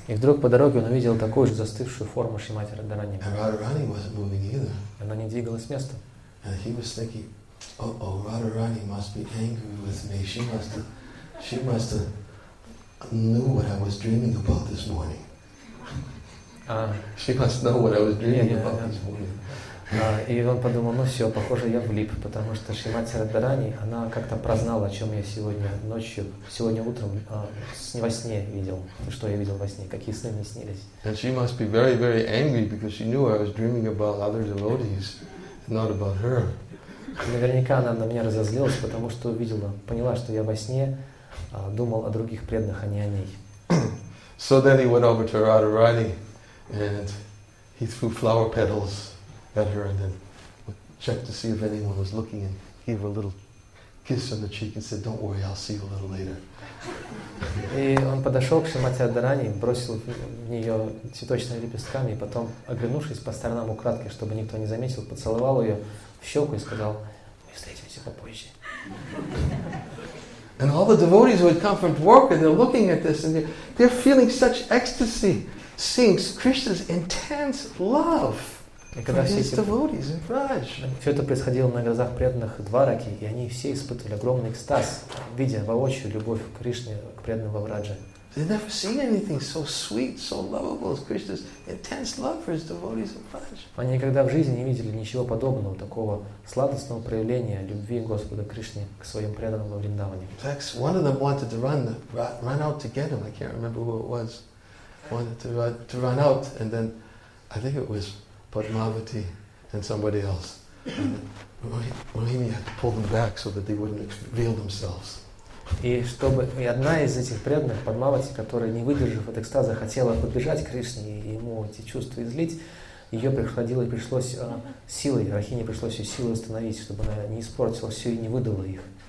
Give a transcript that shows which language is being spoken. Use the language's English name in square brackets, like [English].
[Russian] И вдруг по дороге он увидел такую же застывшую форму Шримати Радхарани. [English] And Radharani wasn't moving either. [Russian] Она не двигалась с места. [English] And he was thinking, oh, Radharani must be angry with me. She must have knew what I was dreaming about this morning. She must know what I was dreaming about this morning. [Russian] И он подумал, ну все, похоже, я влип, потому что Шримати Радхарани, она как-то прознала, о чем я сегодня утром во сне видел, что я видел во сне, какие сны мне снились. [English] And she must be very, very angry because she knew I was dreaming about other devotees, not about her. [Russian] Наверняка она на меня разозлилась, потому что поняла, что я во сне думал о других преданных, а не о ней. [English] So then he went over to Radharani. And he threw flower petals at her and then checked to see if anyone was looking and gave her a little kiss on the cheek and said, don't worry, I'll see you a little later. [Russian] И он подошел к Шримати Радхарани, бросил в нее цветочными лепестками и потом, оглянувшись по сторонам украдкой, чтобы никто не заметил, поцеловал ее в щеку и сказал, мы встретимся попозже. [English] And all the devotees who had come from Dwarka, they're looking at this and they're feeling such ecstasy. Sings Krishna's intense love. [Russian] Все это происходило на глазах преданных Двараки, и они все испытывали огромный экстаз, видя воочию любовь Кришны к преданному Враджа. [English] They've never seen anything so sweet, so lovable as Krishna's intense love for his devotees and Vraj. [Russian] Они никогда в жизни не видели ничего подобного, такого сладостного проявления любви Господа Кришны к своим преданным во Вриндаване. [English] In fact, one of them wanted to run out to get him. I can't remember who it was. Wanted to run out, and then I think it was Padmavati and somebody else. Mohini had to pull them back so that they wouldn't reveal themselves. [Russian] И чтобы и одна из этих преданных, Падмавати, которая, не выдержав от экстаза, хотела подбежать к Кришне и ему эти чувства излить, ее приходило и пришлось силой, Рахине пришлось ее силой остановить, чтобы она не испортила все и не выдала их.